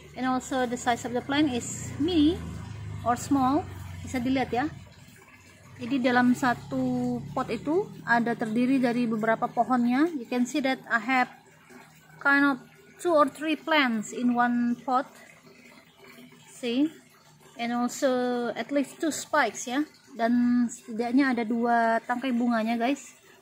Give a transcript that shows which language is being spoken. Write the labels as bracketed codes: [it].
[en] And also the size of the plant is mini or small. [id] Bisa dilihat ya. Jadi dalam satu pot itu ada terdiri dari beberapa pohonnya. [en] You can see that I have kind of two or three plants in one pot. See? And also at least two spikes ya. [id] Dan setidaknya ada dua tangkai bunganya guys.